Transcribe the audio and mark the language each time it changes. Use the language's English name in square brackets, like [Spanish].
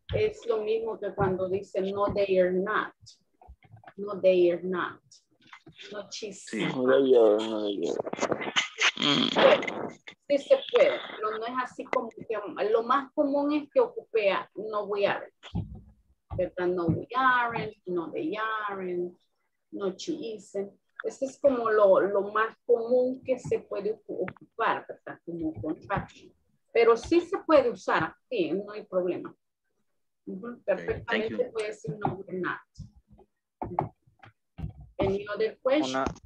[Spanish] Es lo mismo que cuando dice [English] no, they are not. No, they are not. No, she's [Spanish] sí. [English] Not. No, they are not. [Spanish] Sí se puede, pero no es así como que lo más común es que ocupe a [English] no we aren't, [Spanish] ¿verdad? [English] No we aren't, no they aren't, no she isn't. [Spanish] Ese es como lo más común que se puede ocupar, ¿verdad? Como contraction. Pero sí se puede usar, sí, no hay problema. Perfectamente puede decir [English] no we're not. Any other question?